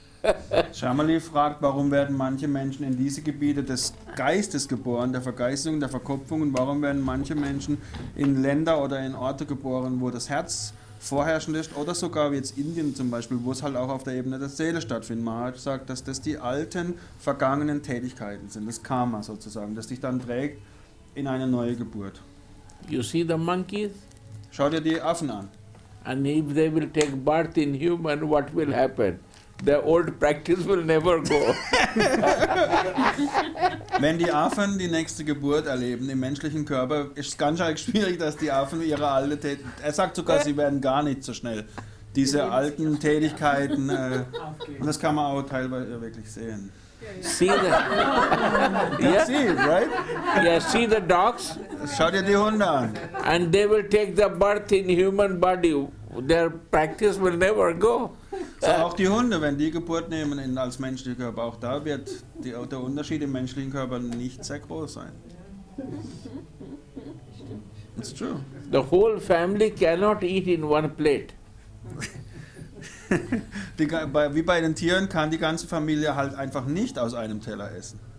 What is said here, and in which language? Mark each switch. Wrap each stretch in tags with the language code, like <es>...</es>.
<de>Shamali fragt, warum werden manche Menschen in diese Gebiete des Geistes geboren, der Vergeistung, der Verkopfung, und warum werden manche Menschen in Länder oder in Orte geboren, wo das Herz vorherrschend ist, oder sogar wie jetzt Indien zum Beispiel, wo es halt auch auf der Ebene der Seele stattfindet. Maharaj sagt, dass das die alten, vergangenen Tätigkeiten sind, das Karma sozusagen, das dich dann trägt in eine neue Geburt.</de> <en>You see the monkeys?</en> <de>Schau dir die Affen an.</de> <en>And if they will take birth in human, what will happen? The old practice will never go.</en> <de>Wenn die Affen die nächste Geburt erleben im menschlichen Körper, ist es ganz schön schwierig, dass die Affen ihre alte Tätigkeit. Er sagt sogar, sie werden gar nicht so schnell diese alten Tätigkeiten. Und das kann man auch teilweise wirklich sehen.</de> <en>See the. Yeah. See it, right? Yeah, see the dogs.</en> <de>Schau dir die Hunde an.</de> <en>And they will take the birth in human body. Their practice will never go.</en> <de>So auch die Hunde, wenn die Geburt nehmen in, als menschlicher Körper, auch da wird die, auch der Unterschied im menschlichen Körper nicht sehr groß sein.</de> <en>It's true. The whole family cannot eat in one plate.</en> <de>Die, wie bei den Tieren kann die ganze Familie halt einfach nicht aus einem Teller essen.</de>